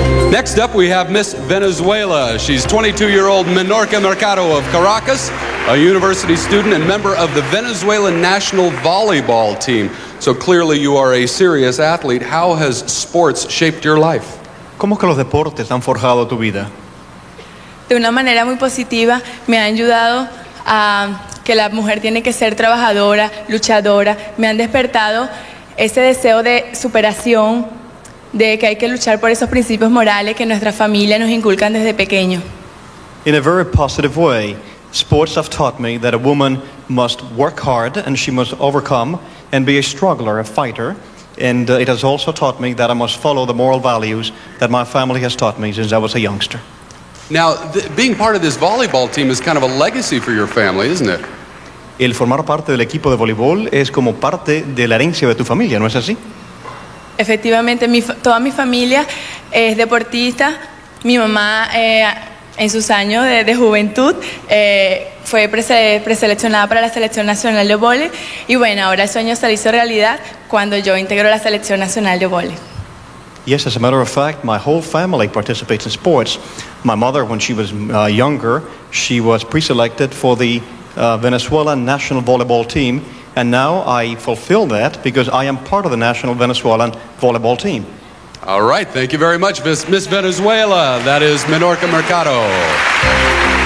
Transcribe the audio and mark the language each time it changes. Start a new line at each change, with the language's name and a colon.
English: Next up, we have Miss Venezuela. She's 22-year-old Menorca Mercado of Caracas, a university student and member of the Venezuelan national volleyball team. So clearly you are a serious athlete. How has sports shaped your life?
Spanish: ¿Cómo que los deportes han forjado tu vida? De una manera muy positiva, me han ayudado a que la mujer tiene que ser trabajadora, luchadora. Me han despertado ese deseo de superación, de que hay que luchar por esos principios morales que nuestra familia nos inculcan desde pequeño.
English: In a very positive way, sports have taught me that a woman must work hard and she must overcome and be a struggler, a fighter. And it has also taught me that I must follow the moral values that my family has taught me since I was a youngster. Now, being part of this volleyball team is kind of a legacy for your family, isn't it?
Spanish: El formar parte del equipo de voleibol es como parte de la herencia de tu familia, ¿no es así? Efectivamente, toda mi familia es deportista. Mi mamá, en sus años de juventud, fue preseleccionada para la selección nacional de vole. Y bueno, ahora el sueño se hizo realidad cuando yo integro la selección nacional de vole.
English: Yes, as a matter of fact, my whole family participates in sports. My mother, when she was younger, she was pre-selected for the Venezuela national volleyball team, and now I fulfill that because I am part of the national Venezuelan volleyball team. All right, thank you very much, Miss Venezuela. That is Menorca Mercado.